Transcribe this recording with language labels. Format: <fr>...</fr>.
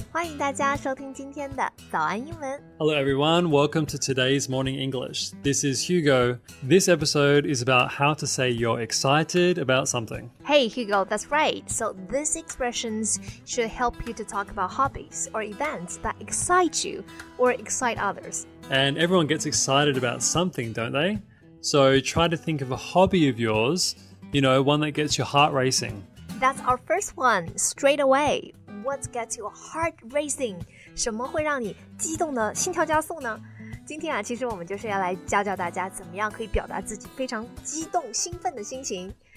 <zh>欢迎大家收听今天的早安英文。</zh> <en>Hello everyone, welcome to today's Morning English. This is Hugo. This episode is about how to say you're excited about something. Hey Hugo, that's right. So these expressions should help you to talk about hobbies or events that excite you or excite others. And everyone gets excited about something, don't they? So try to think of a hobby of yours, you know, one that gets your heart racing. That's our first one, straight away. What gets your heart racing?</en> <zh>什么会让你激动的心跳加速呢？今天啊，其实我们就是要来教教大家怎么样可以表达自己非常激动兴奋的心情。</zh>